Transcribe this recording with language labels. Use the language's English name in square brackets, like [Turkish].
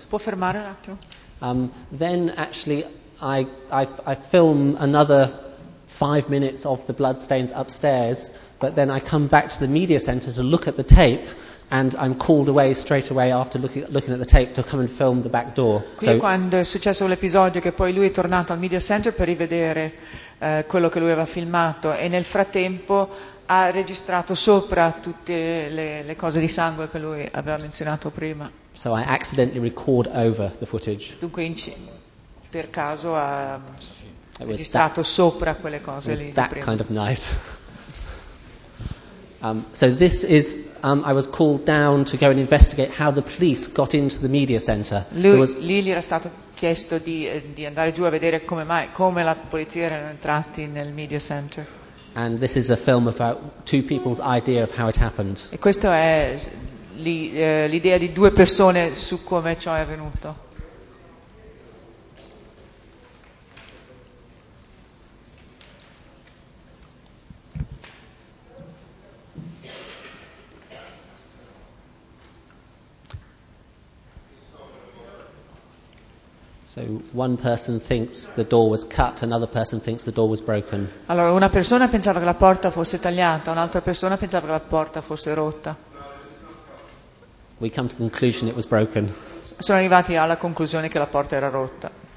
[Italian] Può fermare un attimo. [English] Then actually, I film another 5 minutes of the blood stains upstairs, but then I come back to the media center to look at the tape, and I'm called away straight away after looking at the tape to come and film the back door. [Italian] Qui so, è quando è successo l'episodio che poi lui è tornato al media center per rivedere quello che lui aveva filmato e nel frattempo ha registrato sopra tutte le cose di sangue che lui aveva menzionato prima. [English] So I accidentally record over the footage. [Italian] Dunque per caso ha registrato [English] that, [Italian] sopra quelle cose lì [English] that [Italian] di prima. [English] Kind of night. So this is I was called down to go and investigate how the police got into the media center. [Italian] Lì gli era stato chiesto di andare giù a vedere come la polizia erano entrati nel media center. [English] And this is a film about two people's idea of how it happened. [Italian] E questo è l'idea di due persone su come ciò è avvenuto. [English] So one person thinks the door was cut, another person thinks the door was broken. [Italian] Allora una persona pensava che la porta fosse tagliata, un'altra persona pensava che la porta fosse rotta. [English] We come to the conclusion it was broken. [Italian] Sono arrivati alla conclusione che la porta era rotta.